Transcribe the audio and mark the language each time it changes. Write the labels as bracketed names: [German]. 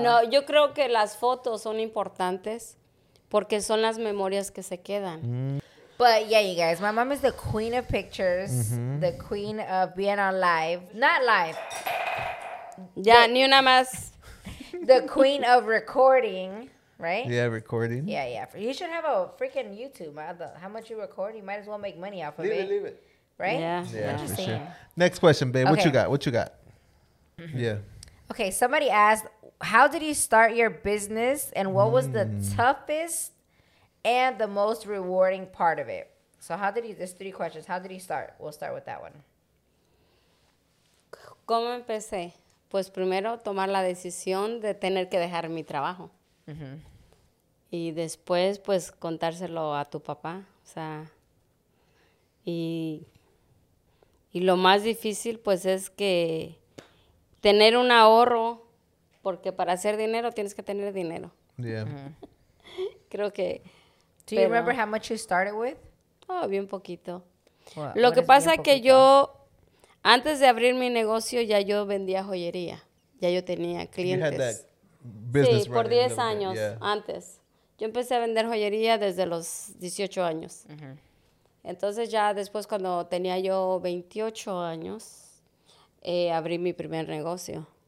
[Spanish] No, yo creo que las fotos son importantes porque son las memorias que se quedan. Mm. [English] But yeah, you guys, my mom is the queen of pictures, mm-hmm. The queen of being on live. Not live. [Spanish] Ya, yeah, ni una más. [English] The queen of recording. Right? Yeah, recording. Yeah, yeah. You should have a freaking YouTube. How much you record, you might as well make money off of it. Leave it. Right? Yeah, for sure. Next question, babe. Okay. What you got? Mm-hmm. Yeah. Okay, somebody asked, how did you start your business and what was the toughest and the most rewarding part of it? So how did you, there's three questions. How did you start? We'll start with that one. [Spanish] ¿Cómo empecé? Pues primero, tomar la decisión de tener que dejar mi trabajo. Uh-huh. Y después, pues, contárselo a tu papá, o sea, y lo más difícil, pues, es que tener un ahorro, porque para hacer dinero tienes que tener dinero. [English] Yeah. [Spanish] Creo que... [English] Do you remember how much you started with? [Spanish] Oh, bien poquito. Lo que pasa es que yo, antes de abrir mi negocio, ya yo vendía joyería, ya yo tenía clientes. [English] Business, [Spanish] sí, por 10 años antes. Yo empecé a vender joyería desde los 18 años. Uh-huh. Entonces ya después cuando tenía yo 28 años, abrí mi primer negocio.